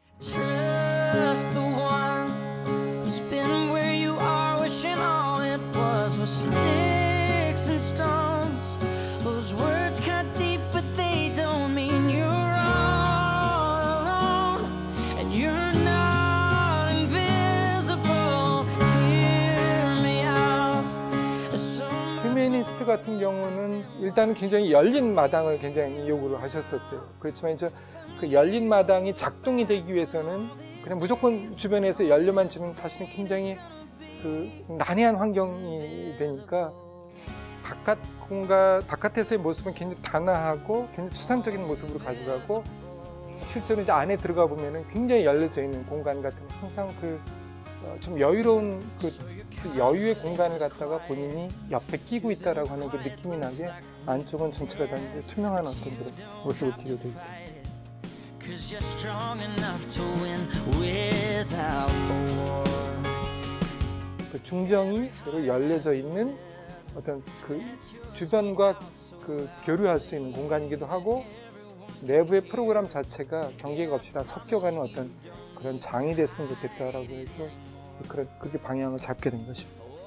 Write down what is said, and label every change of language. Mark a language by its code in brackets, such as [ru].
[en] just the one who's been where you are, wishing all it was was sticks and stones. Those words cut deep, but they don't mean you're all alone, and you're not invisible. Hear me out. [ko] 휴메니스트 같은 경우는 일단은 굉장히 열린 마당을 굉장히 요구를 하셨었어요. 그렇지만 이제 그 열린 마당이 작동이 되기 위해서는 그냥 무조건 주변에서 열려만 지는 사실은 굉장히 그 난해한 환경이 되니까 바깥 공간, 바깥에서의 모습은 굉장히 단아하고 굉장히 추상적인 모습으로 가져가고 실제로 이제 안에 들어가 보면은 굉장히 열려져 있는 공간 같은 항상 그 좀 여유로운 그 여유의 공간을 갖다가 본인이 옆에 끼고 있다라고 하는 그 느낌이 나게 안쪽은 전체라든지 투명한 어떤 그런 모습을 띄고 있죠. [en] Cause you're strong enough to win without war. [ko] 그 중정이 열려져 있는 어떤 그 주변과 그 교류할 수 있는 공간이기도 하고 내부의 프로그램 자체가 경계가 없이 다 섞여가는 어떤 그런 장이 됐으면 좋겠다라고 해서 그렇게 방향을 잡게 된 것입니다.